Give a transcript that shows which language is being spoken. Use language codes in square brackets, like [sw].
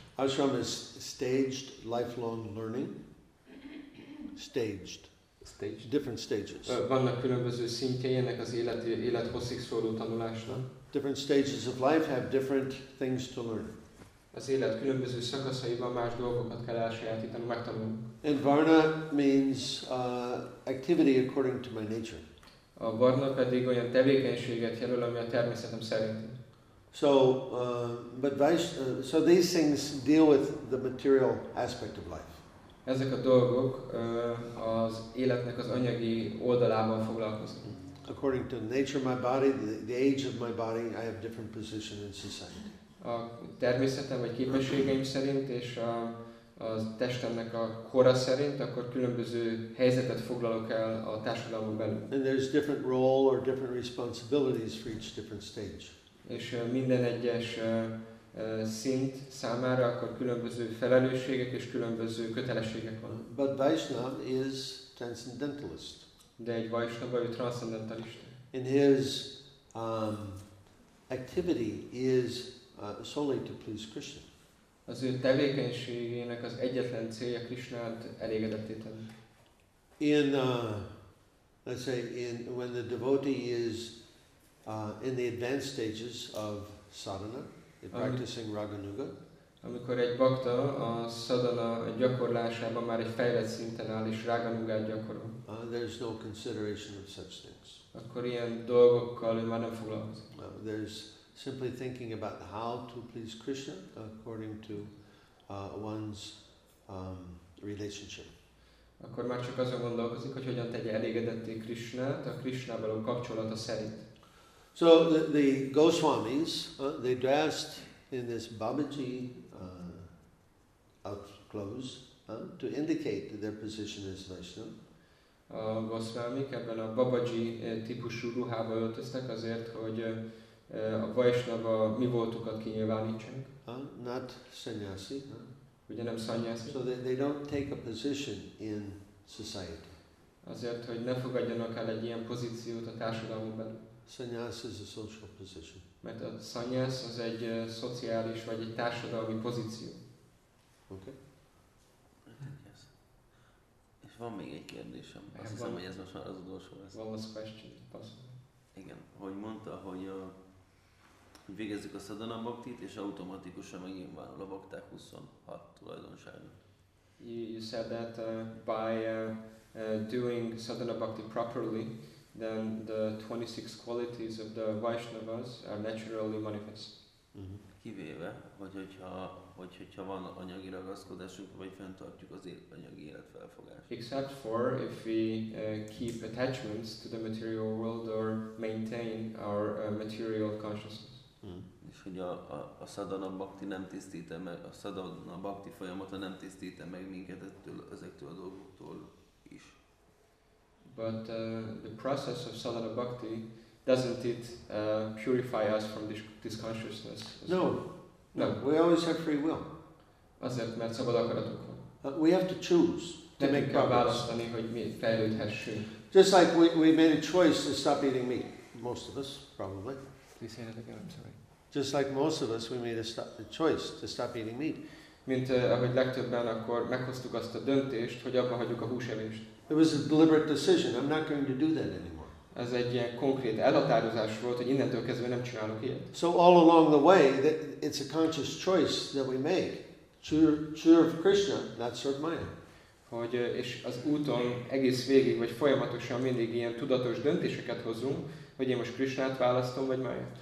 [en] Ashram is staged lifelong learning. Staged. Different stages. [hu] Vannak különböző szintjei ennek az élet hosszig szóló tanulásnak. [en] Different stages of life have different things to learn. [hu] Az élet különböző szakaszaiban más dolgokat kell elsajátítani, megtanulni. [en] And Varna means activity according to my nature. [hu] A Varna pedig olyan tevékenységet jelöl, ami a természetem szerint. [en] So, so these things deal with the material aspect of life. [hu] Ezek a dolgok az életnek az anyagi oldalában foglalkoznak. [en] According to the nature of my body, the age of my body, I have different position in society. [hu] A természetem vagy képességeim szerint és a testemnek a kora szerint, akkor különböző helyzetet foglalok el a társadalomban belül. [en] And there's different role or different responsibilities for each different stage. [hu] És minden egyes szint számára akkor különböző felelősségek és különböző kötelességek van. [en] But Vaishnava is transcendentalist. [hu] De egy Vaishnava, ő transzendentalista. [en] And his activity is solely to please Krishna. [hu] az ő tevékenységének az egyetlen célja Krisnát elégedetté tenni. [en] In let's say in when the devotee is in the advanced stages of sadhana, the practicing raganuga. [hu] Amikor egy bhakta a sadhana gyakorlásában már egy fejlett szinten áll és raganugát gyakorol. [en] There's no consideration of such things. [hu] Akkor ilyen dolgokkal ő már nem foglalkozik. [en] There's simply thinking about how to please Krishna according to one's relationship. [hu] Akkor már csak azon gondolkozik, hogy hogyan tegye elégedetté Krishnát a Krishna való kapcsolata szerint. [en] So the Goswamis, they dressed in this Babaji out clothes to indicate their position as Vaishnava. [hu] A Goswamik ebben a Babaji típusú ruhába öltöztek azért, hogy a Vaishnava mi voltukat kinyilvánítsák. [en] Not sanyasi. [hu] Ugye nem sanyasi? [en] So they don't take a position in society. [hu] Azért, hogy ne fogadjanak el egy ilyen pozíciót a társadalomban. [en] Sanyas is a social position. [hu] Mert a sanyas az egy szociális vagy egy társadalmi pozíció. [en] Okay. [hu] Yes. És van még egy kérdésem. Azt hiszem, hogy ez most már az utolsó lesz. [en] One last question. Possible. [hu] Igen. Hogy mondta, hogy a hogy végezzük a sadhana bhaktit, és automatikusan megint van a bhakták 26 tulajdonságot. [en] You said that by doing sadhana bhakti properly, then the 26 qualities of the Vaishnavas are naturally manifest. Mm-hmm. [hu] Kivéve, hogyha van anyagi ragaszkodásunk, vagy fenntartjuk az anyagi életfelfogást. [en] Except for if we keep attachments to the material world or maintain our material consciousness. Mm. [hu] És hogy a sadhana bhakti nem tisztít meg, a sadhana bhakti folyamata nem tisztít meg minket ettől, ezektől a dolgoktól is. [en] But the process of sadhana bhakti, doesn't it purify us from this consciousness? No. No. We always have free will. [hu] Azért, mert szabad akaratunk van. [en] We have to choose to make progress. [hu] Nekünk kell választani, hogy mi fejlődhessünk. [en] Just like we made a choice to stop eating meat, most of us, probably. Please say that again, I'm sorry. Just like most of us, we made a choice to stop eating meat. [hu] Mint ahogy legtöbben, akkor meghoztuk azt a döntést, hogy abba hagyjuk a húsevést. [en] It was a deliberate decision. I'm not going to do that anymore. [hu] Ez egy ilyen konkrét elhatározás volt, hogy innentől kezdve nem csinálok ilyet. [en] So all along the way, that it's a conscious choice that we make. Serve Krishna, not serve Maya. [hu] Hogy és az úton egész végig, vagy folyamatosan mindig ilyen tudatos döntéseket hozunk, hogy én most Krishnát választom, vagy Maya.